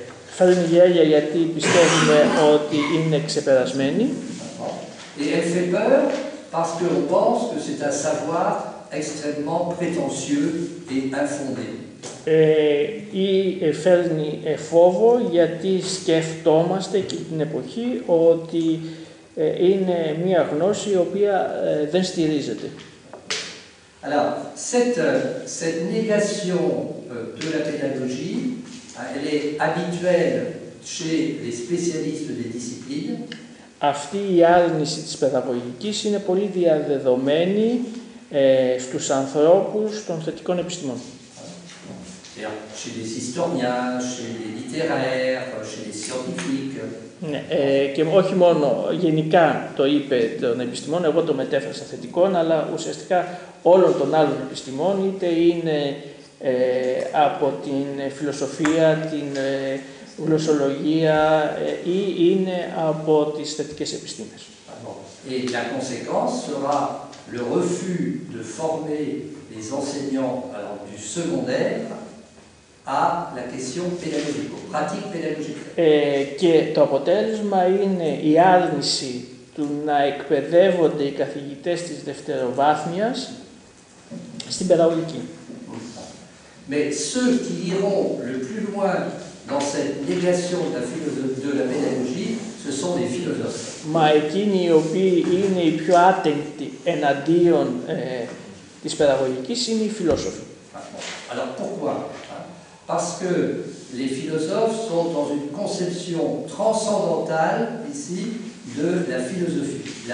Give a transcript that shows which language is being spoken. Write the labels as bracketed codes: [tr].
[el] Φέρνει γέλια γιατί πιστεύουμε ότι είναι ξεπερασμένη. [fr] Et elle fait peur parce que on pense que c'est un savoir extrêmement prétentieux et infondé. [el] Ή φέρνει φόβο γιατί σκεφτόμαστε εκείνη την εποχή ότι είναι μία γνώση η οποία δεν στηρίζεται. [fr] Alors, cette négation de la pédagogie, elle est habituelle chez les spécialistes des disciplines. [el] Αυτή η άρνηση της παιδαγωγικής είναι πολύ διαδεδομένη στους ανθρώπους των θετικών επιστημών. [fr] Chez les historiens, chez les littéraires, chez les scientifiques. [el] Και όχι μόνο γενικά το είπε των επιστημών, εγώ το μετέφρασα θετικών, αλλά ουσιαστικά όλων των άλλων επιστημών, είτε είναι από την φιλοσοφία, την γλωσσολογία ή είναι από τις θετικές επιστήμες. [fr] Et la conséquence sera le refus de former les enseignants du secondaire. À la question pédagogique, aux pratiques pédagogiques. [el] Και το αποτέλεσμα είναι η άρνηση του να εκπαιδεύονται οι καθηγητές της δευτεροβάθμιας στην παιδαγωγική. [fr] Mais ceux qui iront le plus loin dans cette négation de la pédagogie, ce sont les philosophes. [el] Μα εκείνοι οι οποίοι είναι οι πιο άτεγκτοι εναντίον της παιδαγωγικής είναι οι φιλόσοφοι. [fr] Alors pourquoi? Parce que les philosophes sont dans une conception transcendantale ici de la philosophie.